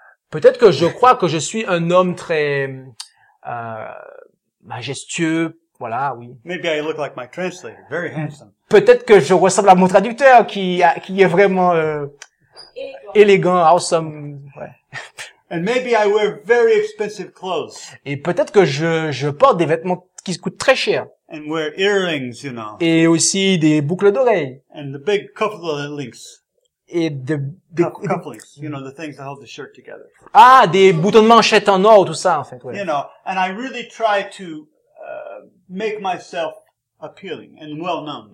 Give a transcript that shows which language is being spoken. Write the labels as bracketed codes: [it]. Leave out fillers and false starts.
[fr] Peut-être que je crois que je suis un homme très majestueux, voilà, oui. [en] Maybe I look like my translator, very handsome. [fr] Peut-être que je ressemble à mon traducteur qui est vraiment élégant, awesome, ouais. [en] And maybe I wear very expensive clothes. [fr] Et peut-être que je porte des vêtements qui coûtent très cher. [en] And wear earrings, you know. [fr] Et aussi des boucles d'oreilles. [en] And the big cufflinks. [fr] Et [en] cufflinks, you know, the things that hold the shirt together. [fr] Ah, des boutons de manchette en or, tout ça, en fait, ouais. [en] You know, and I really try to make myself appealing and well known.